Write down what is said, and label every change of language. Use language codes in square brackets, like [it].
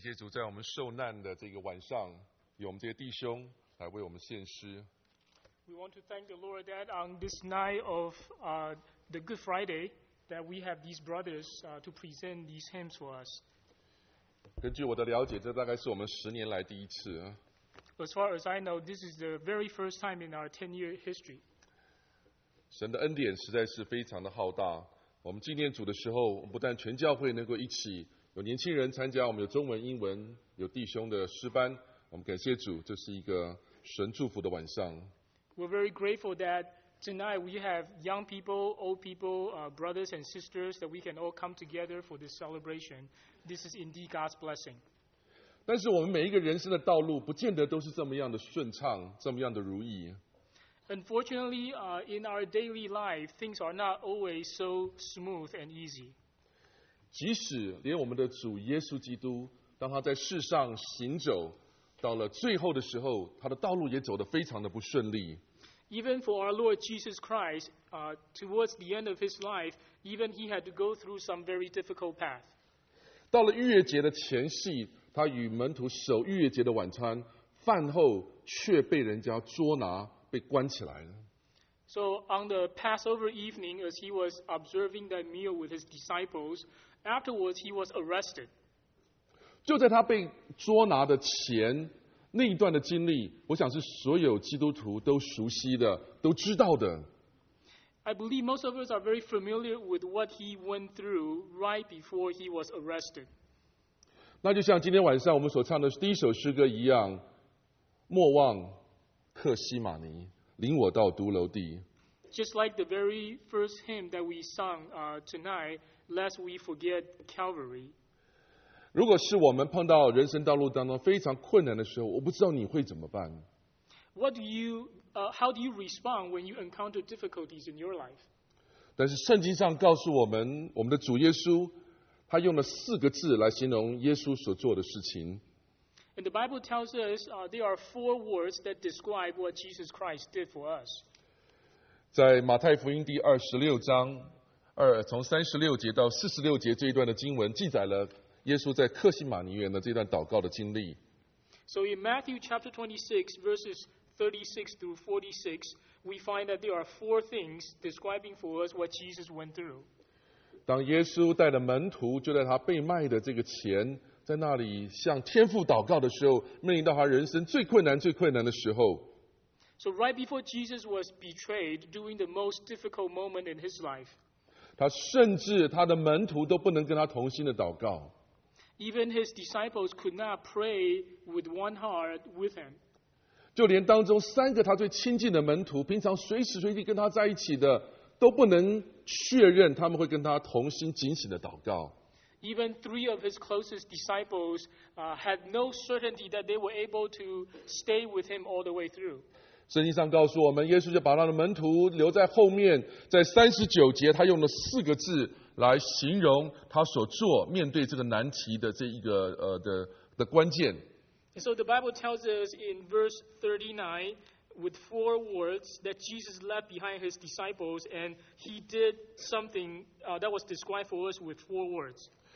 [zh] 在我们受难的这个晚上，有我们这些弟兄来为我们献诗。 [en] We want to thank the Lord that on this night of the Good Friday that we have these brothers to present these hymns for us. [zh] 根据我的了解，这大概是我们十年来第一次。 [en] As far as I know, this is the very first time in our 10-year history. [zh] 神的恩典实在是非常的浩大。我们纪念主的时候，我们不但全教会能够一起。有年轻人参加，我们有中文、英文，有弟兄的诗班。我们感谢主，这是一个神祝福的晚上。 [en] We're very grateful that tonight we have young people, old people, brothers and sisters that we can all come together for this celebration. This is indeed God's blessing. [zh] 但是我们每一个人生的道路，不见得都是这么样的顺畅，这么样的如意。 [en] Unfortunately, in our daily life, things are not always so smooth and easy. [zh] 即使连我们的主耶稣基督，当他在世上行走，到了最后的时候，他的道路也走得非常的不顺利。 [en] Even for our Lord Jesus Christ, towards the end of his life, even he had to go through some very difficult path. [zh] 到了逾越节的前夕，他与门徒守逾越节的晚餐，饭后却被人家捉拿，被关起来了。 [en] So on the Passover evening, as he was observing that meal with his disciples, afterwards he was arrested. [zh] 就在他被捉拿的前那一段的经历，我想是所有基督徒都熟悉的，都知道的。 [en] I believe most of us are very familiar with what he went through right before he was arrested. [zh] 那就像今天晚上我们所唱的第一首诗歌一样，莫忘客西马尼，领我到独楼地。 [en] Just like the very first hymn that we sung tonight, lest we forget Calvary. [zh] 如果是我们碰到人生道路当中非常困难的时候，我不知道你会怎么办。 [en] What do you, how do you respond when you encounter difficulties in your life? [zh] 但是圣经上告诉我们，我们的主耶稣，他用了四个字来形容耶稣所做的事情。 [en] And the Bible tells us there are four words that describe what Jesus Christ did for us. [zh] 在马太福音第二十六章二从三十六节到四十六节这一段的经文，记载了耶稣在客西马尼园的这段祷告的经历。 [en] So in Matthew chapter 26, verses 36 through 46, we find that there are four things describing for us what Jesus went through. [zh] 当耶稣带着门徒就在他被卖的这个前。在那里向天父祷告的时候，面临到他人生最困难、最困难的时候。 [en] So right before Jesus was betrayed, during the most difficult moment in his life, [zh] 他甚至他的门徒都不能跟他同心的祷告。 [en] Even his disciples could not pray with one heart with him. [zh] 就连当中三个他最亲近的门徒，平常随时随地跟他在一起的，都不能确认他们会跟他同心警醒的祷告。 [en] Even three of his closest disciples had no certainty that they were able to stay with him all the way through. [zh] 圣经上告诉我们，耶稣就把他的门徒留在后面。在三十九节，他用了四个字来形容他所做面对这个难题的这一个的关键。 [en] And so the Bible tells us in verse 39, with four words that Jesus left behind his disciples, and he did something that was described for us with four words.